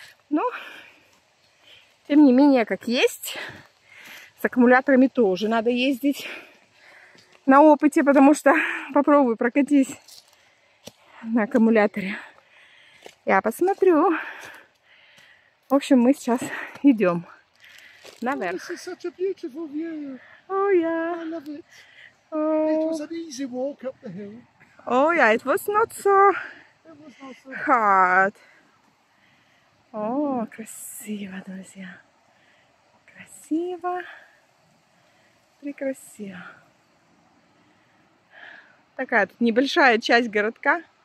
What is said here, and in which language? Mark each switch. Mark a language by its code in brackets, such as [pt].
[ru] Ну, тем не менее, как есть, с аккумуляторами тоже надо ездить на опыте, потому что попробуй прокатись на аккумуляторе. Я посмотрю. В общем, мы сейчас идем наверх. [en] This is such a beautiful view. Oh, yeah. I love it. It was an easy walk up the hill. Oh yeah, it was not so hard. [ru] Oh, красиво, друзья. Красиво. Прекрасиво. Такая тут небольшая часть городка.